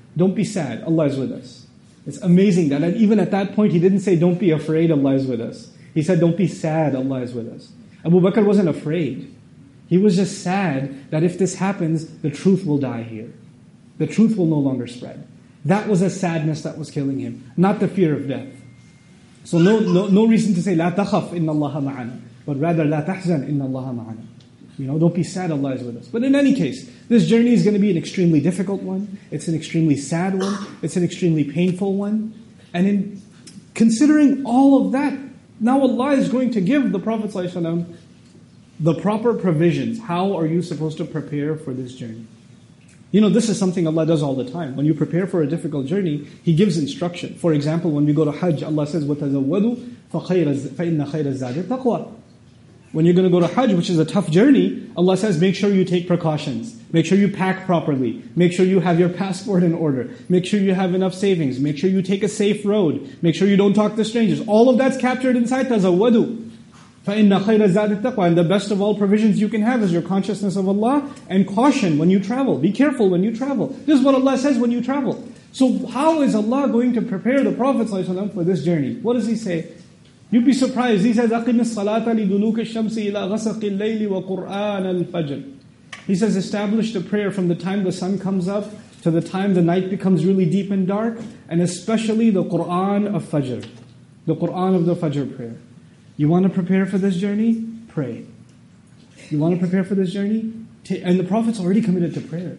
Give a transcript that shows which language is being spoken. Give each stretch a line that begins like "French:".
English: Don't be sad, Allah is with us. It's amazing that even at that point, he didn't say, don't be afraid, Allah is with us. He said, don't be sad, Allah is with us. Abu Bakr wasn't afraid. He was just sad that if this happens, the truth will die here. The truth will no longer spread. That was a sadness that was killing him, not the fear of death. So no reason to say
Arabic: لا تخف إن الله معنا,
English: but rather
Arabic: لا تحزن إن الله معنا.
English: You know, don't be sad, Allah is with us. But in any case, this journey is going to be an extremely difficult one. It's an extremely sad one. It's an extremely painful one. And in considering all of that, now Allah is going to give the Prophet ﷺ the proper provisions. How are you supposed to prepare for this journey? You know, this is something Allah does all the time. When you prepare for a difficult journey, He gives instruction. For example, when we go to Hajj, Allah says,
Arabic: وَتَزَوَّدُوا فَإِنَّ خَيْرَ الزَّادِ التَّقْوَى.
English: When you're going to go to Hajj, which is a tough journey, Allah says, make sure you take precautions. Make sure you pack properly. Make sure you have your passport in order. Make sure you have enough savings. Make sure you take a safe road. Make sure you don't talk to strangers. All of that's captured inside tazawwadu.
Arabic: فَإِنَّ خَيْرَ زَادِ التَّقْوَى.
English: And the best of all provisions you can have is your consciousness of Allah and caution when you travel. Be careful when you travel. This is what Allah says when you travel. So how is Allah going to prepare the Prophet ﷺ for this journey? What does he say? You'd be surprised. He says,
Arabic: أَقِمِ الصَّلَاةَ لِدُلُوكِ الشَّمْسِ إِلَىٰ غَسَقِ اللَّيْلِ وَقُرْآنَ الْفَجْرِ.
English: He says, establish the prayer from the time the sun comes up to the time the night becomes really deep and dark, and especially the Qur'an of Fajr. The Qur'an of the Fajr prayer. You want to prepare for this journey? Pray. You want to prepare for this journey? And the Prophet's already committed to prayer.